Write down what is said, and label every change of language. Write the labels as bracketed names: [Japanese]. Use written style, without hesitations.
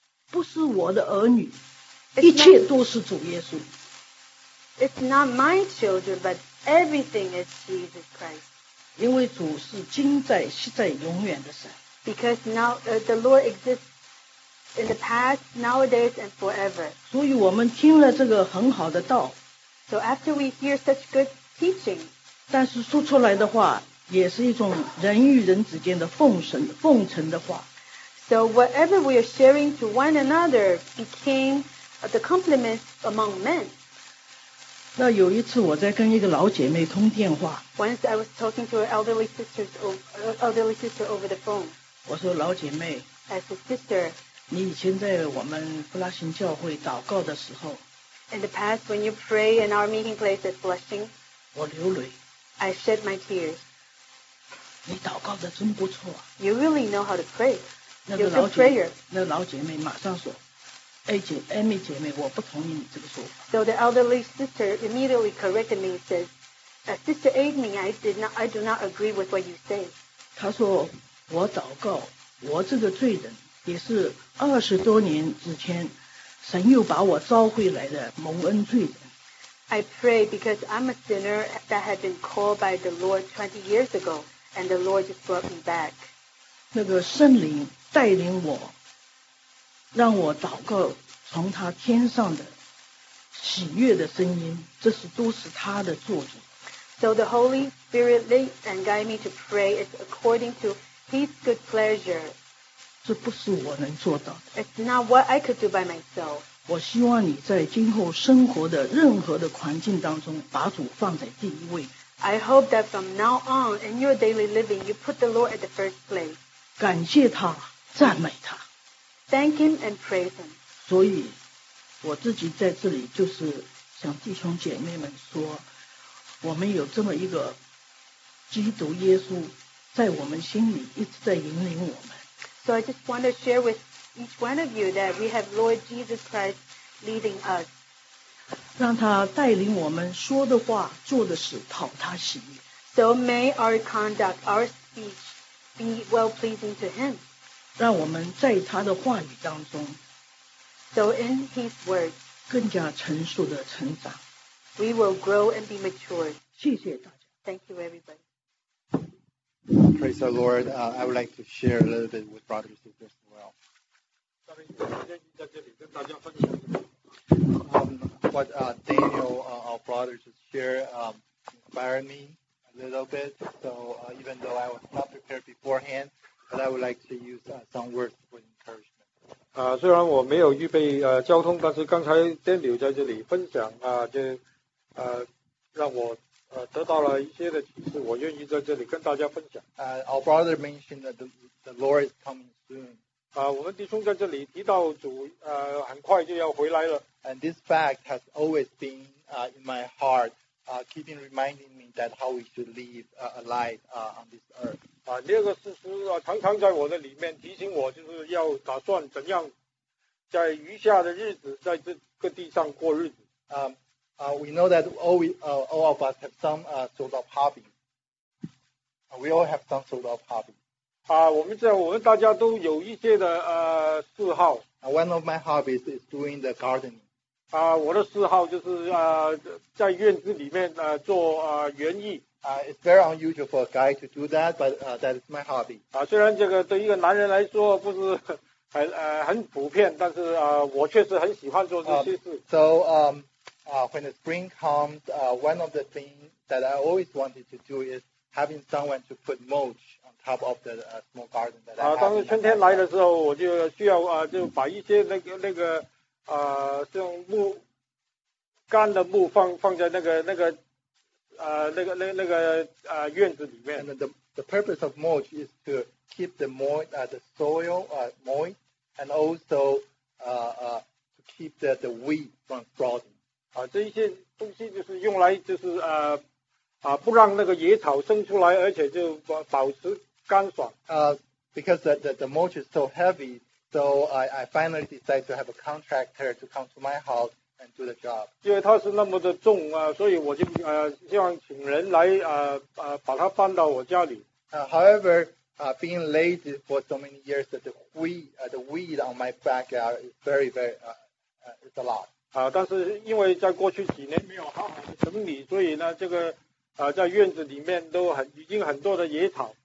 [Chinese] 不是我的儿女，一切都是主耶稣。 [English] It's not my children, but everything is Jesus Christ. [Chinese] 因为主是今在、昔在、永远的神。 [English] Because now, the Lord exists in the past, nowadays, and forever. [Chinese] 所以我们听了这个很好的道。 [English] So after we hear such good teaching, [Chinese] 但是说出来的话也是一种人与人之间的奉承的话。 [English] So whatever we are sharing to one another became the compliments among men. [Chinese] 那有一次我在跟一个老姐妹通电话。 [English] Once I was talking to an elderly sister over the phone. [Chinese] 我说老姐妹。 [English] As a sister. [Chinese] 你以前在我们布拉辛教会祷告的时候。 [English] In the past when you pray in our meeting place at Blushing. [Chinese] 我流泪。 [English] I shed my tears. [Chinese] 你祷告的真不错、啊。 [English] You really know how to pray. You're good prayer. [Chinese] 那老姐妹马上说，艾米姐妹，我不同意你这个说法。 [English] So the elderly sister immediately corrected me and says, "Sister Amy, I do not agree with what you say." [Chinese] 她说，我祷告，我这个罪人也是20多年之前，神又把我召回来的蒙恩罪人。 [English] I pray because I'm a sinner that had been called by the Lord 20 years ago. And the Lord just brought me back. [Chinese] 那个圣灵带领我，让我祷告，从他天上的喜悦的声音，这是都是他的作用。 [English] So the Holy Spirit lead and guide me to pray is according to His good pleasure. [Chinese] 这不是我能做到的。 [English] It's not what I could do by myself. [Chinese] 我希望你在今后生活的任何的环境当中，把主放在第一位。 [English] I hope that from now on in your daily living, you put the Lord at the first place. [Chinese] 感谢他，赞美他。 [English] Thank him and praise him. [Chinese] 所以，我自己在这里就是向弟兄姐妹们说，我们有这么一个基督耶稣在我们心里一直在引领我们。 [English] So I just want to share with each one of you that we have Lord Jesus Christ leading us. [Chinese] 让他带领我们说的话做的事讨他喜悦。 [English] So may our conduct, our speech be well pleasing to him. [Chinese] 让我们在他的话语当中 [English] So in his words, [Chinese] 更加成熟的成长。 [English] We will grow and be matured. [Chinese] 谢谢大家。 [English] Thank you, everybody. Praise our Lord. I would like to share a little bit with brothers and sisters as well. What Daniel, our brother, just shared inspired me a little bit. So even though I was not prepared beforehand, but I would like to use some words for encouragement. [Chinese] 虽然我没有预备交通，但是刚才 Daniel 在这里分享就让我得到了一些的启示，我愿意在这里跟大家分享。 [English] Our brother mentioned that the Lord is coming soon. [Chinese] 我们弟兄在这里提到主很快就要回来了。 [English] And this fact has always been in my heart, keeping reminding me that how we should live alive on this earth. [Chinese] 这个事实常常在我的里面提醒我，就是要打算怎样在余下的日子在这个地上过日子。 [English] We know that all of us have some sort of hobby. We all have some sort of hobby. [Chinese] 我们知道我们大家都有一些的嗜好。 [English] One of my hobbies is doing the gardening. [Chinese] 我的嗜好就是在院子里面做园艺。 [English] It's very unusual for a guy to do that, but that is my hobby. [Chinese] 虽然这个对一个男人来说不是很普遍，但是我确实很喜欢做这些事。 [English] When the spring comes, one of the things that I always wanted to do is having someone to put mulch on top of the small garden that I have. [Chinese] 当春天来的时候，我就需要就把一些那个这种木干的木放在那个院子里面。 [English] And the purpose of mulch is to keep the moist the soil moist, and also to keep the weed from sprouting. [Chinese] 这一些东西就是用来就是不让那个野草生出来，而且就保持干爽。 [English] Because the mulch is so heavy, so I finally decided to have a contractor to come to my house and do the job. [Chinese] 因为它是那么的重所以我就希望请人来把它搬到我家里。 [English] However, being lazy for so many years, that the weed on my backyard is very very is a lot. [Chinese] 但是因为在过去几年没有好好的整理，所以呢，这个在院子里面都很已经很多的野草。